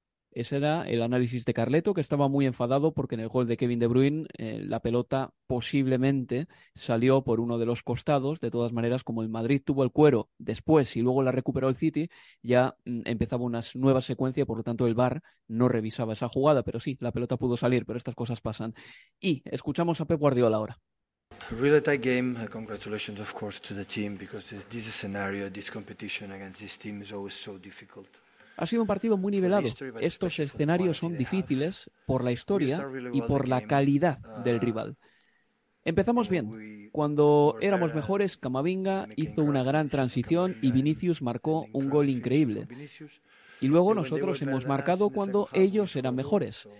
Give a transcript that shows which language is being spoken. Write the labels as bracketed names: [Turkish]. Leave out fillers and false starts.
[Spanish] Ese era el análisis de Carleto, que estaba muy enfadado porque en el gol de Kevin De Bruyne la pelota posiblemente salió por uno de los costados. De todas maneras, como el Madrid tuvo el cuero después y luego la recuperó el City, ya empezaba una nueva secuencia, por lo tanto el VAR no revisaba esa jugada. Pero sí, la pelota pudo salir, pero estas cosas pasan. Y escuchamos a Pep Guardiola ahora. [English] Really tight game. Congratulations, of course, to the team, because this scenario, this competition against this team is always so difficult. [Spanish] Ha sido un partido muy nivelado. Estos escenarios son difíciles por la historia y por la calidad del rival. Empezamos bien. Cuando éramos mejores, Camavinga hizo una gran transición y Vinicius marcó un gol increíble. Y luego nosotros hemos marcado cuando ellos eran mejores.